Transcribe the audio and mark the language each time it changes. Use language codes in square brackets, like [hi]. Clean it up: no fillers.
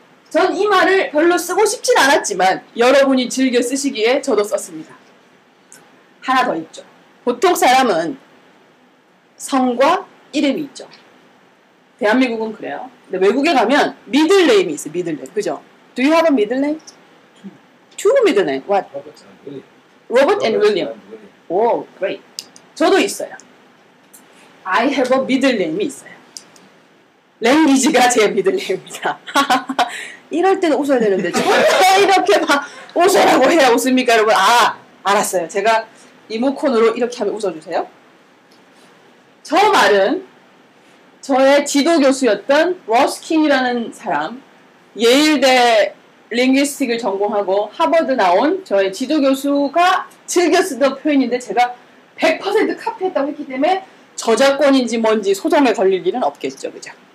[ko] 전 이 말을 별로 쓰고 싶진 않았지만 여러분이 즐겨 쓰시기에 저도 썼습니다. 하나 더 있죠. 보통 사람은 성과 이름이 있죠. 대한민국은 그래요. 근데 외국에 가면 미들네임이 있어요. 미들네임. 그죠? [en] Do you have a middle name? Two middle name. What? Robert and William. Oh, great. [ko] 저도 있어요. [en] I have a middle name이 [ko] 있어요. 랭귀지가 제 미들네임입니다. 이럴 때는 웃어야 되는데 전혀 이렇게 막 웃으라고 해야 웃습니까? 여러분. 아, 알았어요. 제가 이모콘으로 이렇게 하면 웃어주세요. 저 말은 저의 지도 교수였던 러스킨이라는 사람, 예일대 링귀스틱을 전공하고 하버드 나온 저의 지도 교수가 즐겨 쓰던 표현인데 제가 100% 카피했다고 했기 때문에 저작권인지 뭔지 소송에 걸릴 일은 없겠죠. 그죠?